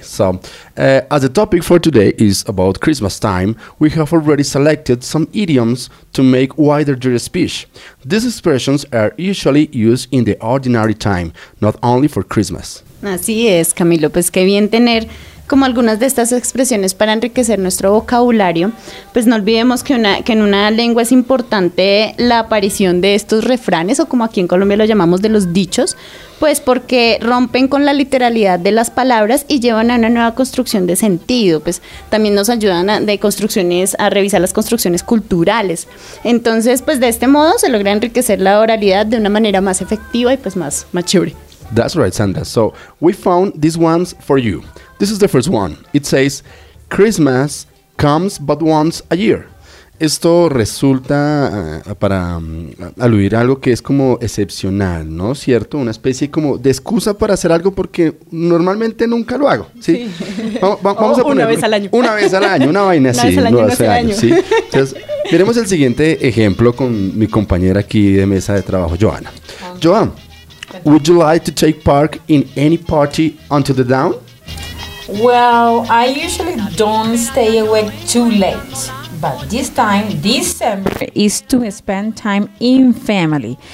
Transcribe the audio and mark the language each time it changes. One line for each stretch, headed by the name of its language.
English: So, as the topic for today is about Christmas time, we have already selected some idioms to make wider your speech. These expressions are usually used in the ordinary time, not only for Christmas.
Spanish: Así es, Camilo, pues qué bien tener como algunas de estas expresiones para enriquecer nuestro vocabulario. Pues no olvidemos que en una lengua es importante la aparición de estos refranes, o como aquí en Colombia lo llamamos, de los dichos, pues porque rompen con la literalidad de las palabras y llevan a una nueva construcción de sentido. Pues también nos ayudan a revisar las construcciones culturales. Entonces, pues de este modo se logra enriquecer la oralidad de una manera más efectiva y pues más chévere.
English: That's right, Sandra. So, we found these ones for you. This is the first one. It says, Christmas comes but once a year.
Spanish: Esto resulta para aludir a algo que es como excepcional, ¿no? ¿Cierto? Una especie como de excusa para hacer algo porque normalmente nunca lo hago, ¿sí? Vamos a poner una vez al año. Una vez al año, una vaina así. Una vez al año, una vez al año. Entonces, tenemos el siguiente ejemplo con mi compañera aquí de mesa de trabajo, Joana. Joana.
English: Would you like to take part in any party until the dawn? Well, I usually don't stay awake too late, but this time, December, is to spend time in family.